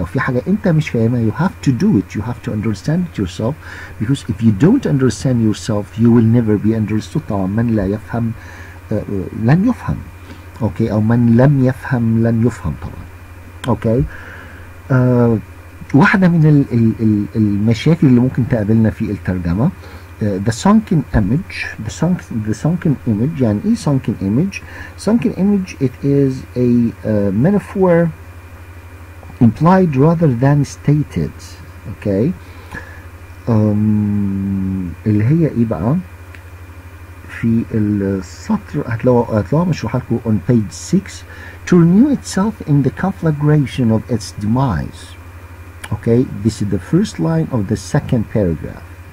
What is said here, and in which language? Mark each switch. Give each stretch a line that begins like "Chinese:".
Arabic: لو في حاجه انت مش فاهمها
English: you have to do it, you have to understand it yourself, because if you don't understand yourself you will never be understood.
Arabic: طبعا من لا يفهم لن يفهم. اوكي، او من لم يفهم لن يفهم طبعا. اوكي. واحده من المشاكل اللي ممكن تقابلنا في الترجمه the sunken image. يعني ايه
English: sunken image؟ sunken image it is a metaphor implied rather than stated. okay.
Arabic: اللي هي ايه بقى؟ في السطر هتلاقوها مشروحه لكم
English: on page 6. to renew itself in the conflagration of its demise. okay. this is the first line of the second paragraph.